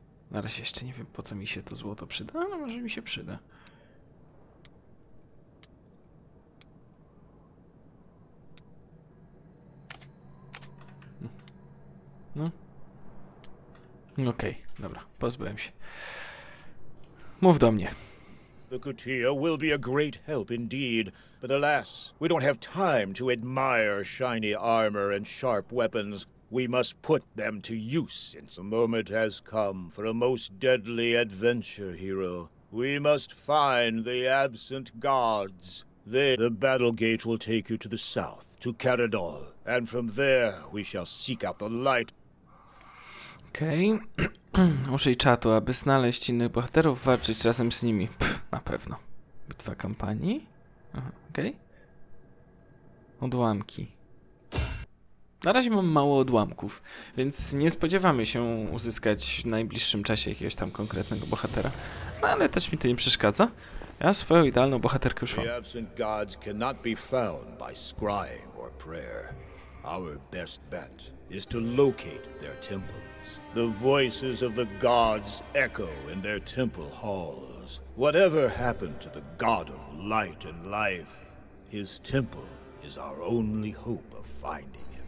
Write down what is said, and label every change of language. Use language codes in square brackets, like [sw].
[pl] Na razie jeszcze nie wiem, po co mi się to złoto przyda, ale może mi się przyda. No. Okej, dobra, pozbyłem się. Mów do mnie. [en] The Kutia will be a great help indeed, but alas, we don't have time to admire shiny armor and sharp weapons. We must put them to use since the moment has come for a most deadly adventure, hero. We must find the absent gods. The battle gate will take you to the south, to Caradol, and from there we shall seek out the light. [pl] Okej. Użyj czatu, aby znaleźć innych bohaterów, walczyć razem z nimi. Pff, na pewno. Bitwa kampanii. Okej. Odłamki. Na razie mam mało odłamków, więc nie spodziewamy się uzyskać w najbliższym czasie jakiegoś tam konkretnego bohatera. No ale też mi to nie przeszkadza. Ja swoją idealną bohaterkę już mam. [en] Absent gods cannot be found by scrying or prayer. Our best bet is to locate their temples. The voices of the gods echo in their temple halls. Whatever happened to the god of light and life, his temple is our only hope of finding.